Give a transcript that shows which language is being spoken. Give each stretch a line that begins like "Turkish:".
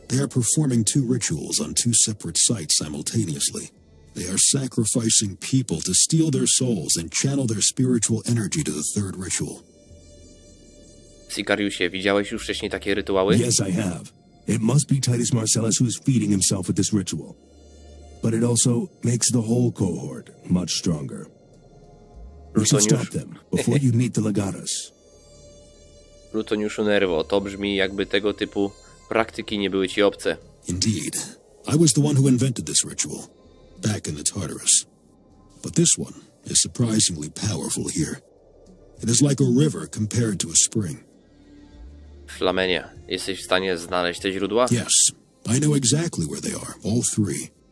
English: They are performing two rituals on two separate sites simultaneously. They are sacrificing people to steal their souls and channel their spiritual energy to the third ritual.
Polish: Sikariusie, widziałeś już wcześniej takie rytuały?
English: Yes, I have. It must be Titus Marcellus who is feeding himself with this ritual. But it also makes the whole cohort much stronger. So stop them before you meet the Legatus.
Polish: Plutoniuszu Nerwo, to brzmi jakby tego typu praktyki nie były ci obce.
English: Indeed. I was the one who invented this ritual, back in the Tartarus. But this one is surprisingly powerful here. It is like a river compared to a spring.
Polish: Flamenia, jesteś w stanie znaleźć te źródła?
English: Yes, I know exactly where they are, all three.